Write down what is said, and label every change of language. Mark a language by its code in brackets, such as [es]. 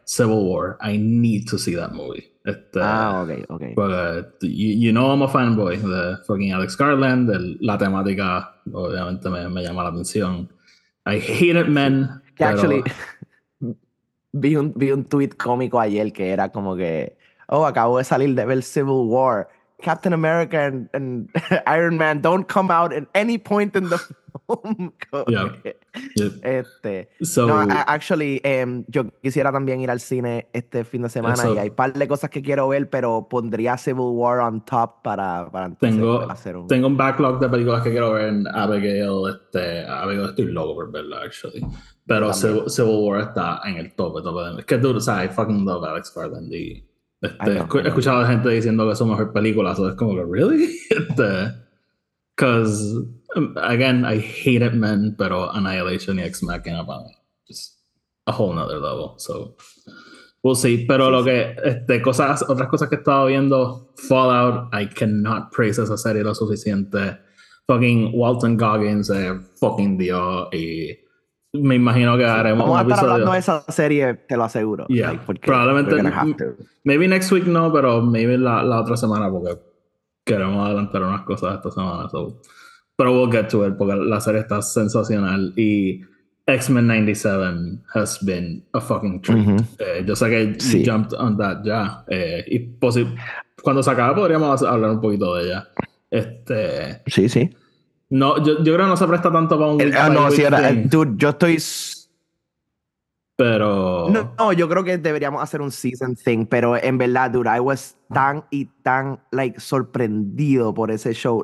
[en] Civil War. I need to see that movie. You know I'm a fanboy de fucking Alex Garland. [es] La temática obviamente me llama la atención. [en] I hate it, man. [es] Actually, vi un tweet cómico ayer que era como que, oh, acabo de salir de ver Civil War. [en] Captain America and Iron Man don't come out at any point in the film. Yeah. [es] Este, so, no, actually, yo quisiera también ir al cine este fin de semana, yeah, so, y hay un par de cosas que quiero ver, pero pondría Civil War [en] on top [es] para entonces tengo, hacer un... Tengo un backlog de películas que quiero ver en Abigail. Este, Abigail, estoy loco por verla, actually. Pero Civil War está en el tope de mí. Es que, dude, o sea, [en] I fucking love Alex Garland. [es] Y, este, he escuchado a gente diciendo que es su mejor película. [en] So [es] es como, [en] ¿really? Because, again, I hate it, man. [es] Pero Annihilation y Ex Machina para mí. [en] Just a whole nother level. So, we'll see. [es] Pero sí, lo sí. Que, este, cosas, otras cosas que he estado viendo. Fallout, [en] I cannot praise [es] esa serie lo suficiente. [en] Fucking Walton Goggins, fucking Dios. Y... [es] me imagino que haremos un episodio. Vamos a estar hablando de esa serie, te lo aseguro. Yeah, like, porque probablemente. Maybe [en] next week [es] no, pero maybe la otra semana, porque queremos adelantar unas cosas esta semana. So. Pero [en] we'll get to it, [es] porque la serie está sensacional. [en] Y X-Men 97 has been a fucking treat. [es] Mm-hmm. Yo sé que sí. [en] You jumped on that [es] ya. Y cuando se acabe podríamos hablar un poquito de ella. Este, sí, sí. No, yo creo que no se presta tanto para un week. No, si era, dude, yo estoy... Pero... No, yo creo que deberíamos hacer un season thing, pero en verdad, dude, I was tan y tan, like, sorprendido por ese show.